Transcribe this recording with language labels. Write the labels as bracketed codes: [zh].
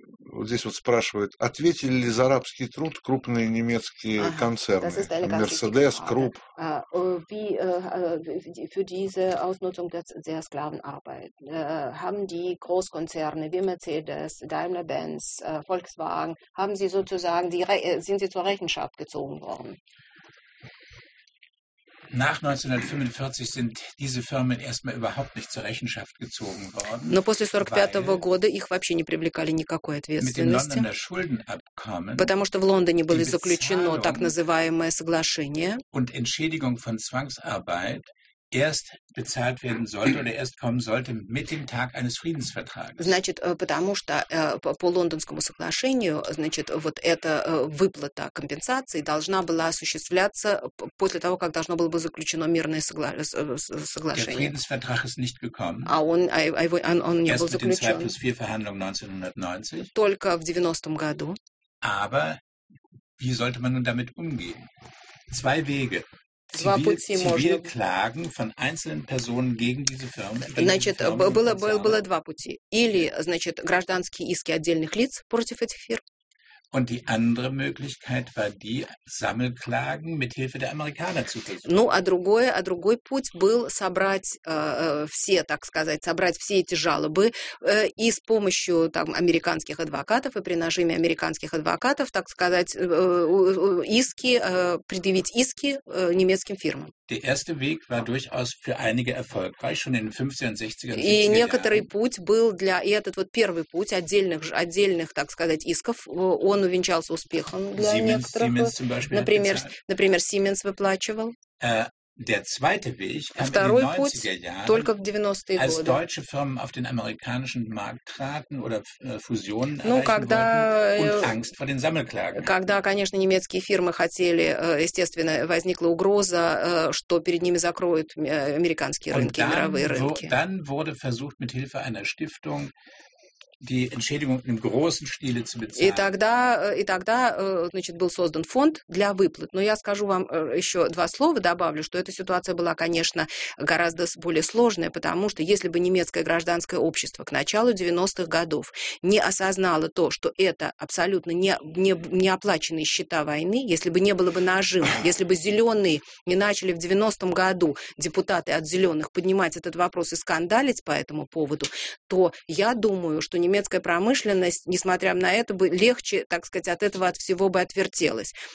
[ru] Вот здесь вот спрашивают, ответили ли за арабский труд крупные немецкие концерны? [de] Mercedes, Krupp. Für diese Ausnutzung der Sklavenarbeit haben die Großkonzerne wie Mercedes, Daimler-Benz, Volkswagen, haben sie sozusagen, sind sie zur Rechenschaft gezogen worden? Nach 1945 sind diese Firmen erstmal überhaupt nicht zur Rechenschaft gezogen worden. [ru] Но после 45-го года их вообще не привлекали никакой ответственности. [de] Mit dem Londoner Schuldenabkommen. [ru] Потому что в Лондоне было заключено так называемое соглашение. [de] Und Entschädigung von Zwangsarbeit erst bezahlt werden sollte oder erst kommen sollte mit dem Tag eines Friedensvertrages. [ru] Значит, потому что по лондонскому соглашению, значит, вот эта выплата компенсации должна была осуществляться после того, как должно было бы заключено мирное соглашение. [de] Der Friedensvertrag ist nicht gekommen. [ru] А он не был заключен. [de] Erst mit den 2+4 Verhandlungen 1990. [ru] Только в 90-м году. [de] Aber wie sollte man nun damit umgehen? Zwei Wege. Zivilklagen von einzelnen Personen gegen diese Firmen. [ru] Значит, было два пути. Или, значит, гражданские иски отдельных лиц против этих фирм. [de] Und die andere Möglichkeit war die Sammelklagen mit Hilfe der Amerikaner zu versuchen. [ru] Ну, а другой путь был собрать все, так сказать, собрать все эти жалобы и с помощью там американских адвокатов и при нажиме американских адвокатов, так сказать, иски предъявить иски немецким фирмам. [de] Der erste Weg war durchaus für einige erfolgreich, schon in den 50er und 60er Jahren. [ru] И некоторый путь был для, и этот вот первый путь отдельных, так сказать, исков, он увенчался успехом для некоторых. Например, Siemens выплачивал. [de] Der zweite Weg kam [ru] второй [de] in den 90er Jahren, [ru] только в 90-е годы. [de] Als deutsche Firmen auf den amerikanischen Markt traten oder Fusionen erreichen wollten. [ru] Когда, конечно, немецкие фирмы хотели, естественно, возникла угроза, что перед ними закроют американские рынки, мировые рынки. [de] Dann wurde versucht mit Hilfe einer Stiftung die Entschädigung im großen Stile zu bezahlen. [ru] И тогда, значит, был создан фонд для выплат. Но я скажу вам еще два слова, добавлю, что эта ситуация была, конечно, гораздо более сложная, потому что если бы немецкое гражданское общество к началу 90-х годов не осознало то, что это абсолютно не оплаченные счета войны, если бы не было бы нажима, если бы зеленые не начали в 90-м году депутаты от зеленых поднимать этот вопрос и скандалить по этому поводу, то я думаю, что немецкая промышленность, несмотря на это, бы легче, так сказать, от этого, от всего бы отвертелась.